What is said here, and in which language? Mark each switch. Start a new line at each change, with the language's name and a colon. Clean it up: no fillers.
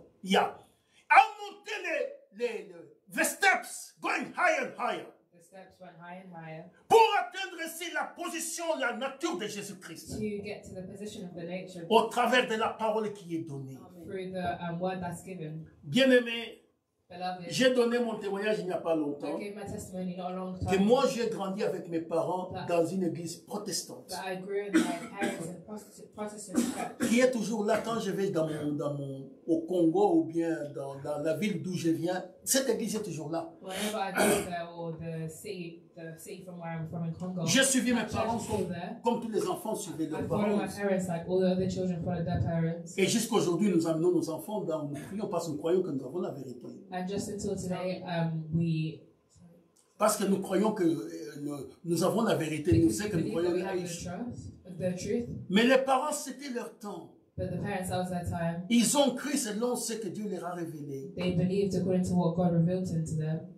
English: Yeah,
French: a monté les
English: steps, going higher and higher. The steps went higher and higher.
French: Pour atteindre ici la position, la nature de Jésus Christ.
English: To get to the position of the nature.
French: Au travers de la parole qui est donnée.
English: Through the word that's given.
French: Bien-aimé,
English: beloved,
French: j'ai donné mon témoignage il n'y a pas longtemps.
English: I gave my testimony not a long time.
French: Que moi j'ai grandi avec mes parents dans une église protestante.
English: That I grew with my parents in a Protestant church.
French: Qui est toujours là quand je vais dans mon au Congo ou bien dans la ville d'où je viens, cette église est toujours là.
English: Whenever I go there or the city from where I'm from in Congo.
French: J'ai suivi mes parents comme tous les enfants suivaient leurs parents.
English: I followed my parents like all the other children followed their parents.
French: Et jusqu'à aujourd'hui, nous amenons nos enfants dans nous prions parce que nous croyons que nous avons la vérité.
English: And just until today, we.
French: Parce que nous croyons que nous avons la vérité, nous savons que nous croyons la vérité. Mais les parents, c'était leur temps.
English: But the parents, that was their time.
French: Ils ont cru selon ce que Dieu leur a révélé.
English: They believed according to what God revealed to them.